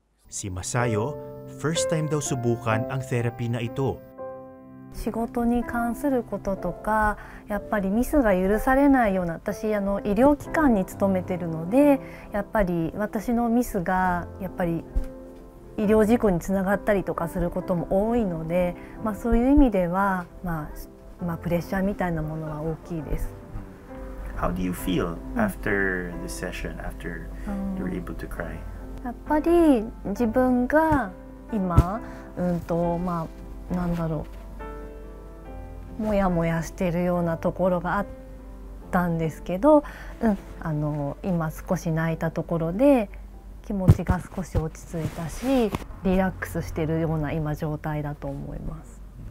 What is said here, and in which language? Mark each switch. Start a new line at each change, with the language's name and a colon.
Filipino: Si Masayo,
English: first time
Filipino: daw subukan ang therapy na ito.
Japanese: 仕事に関することとか、やっぱりミスが許されないような、私医療機関に勤めてるので、やっぱり私のミスがやっぱり医療事故につながったりとかすることも多いので、まあ、そういう意味では、まあ、プレッシャーみたいなものは大きいです。
English: How do you feel after the session, after you're able to cry?
Japanese: やっぱり自分が今、まあ、なんだろう、もやもやしているようなところがあったんですけど、今少し泣いたところで気持ちが少し落ち着いたし、リラックスしているような今状態だと思います。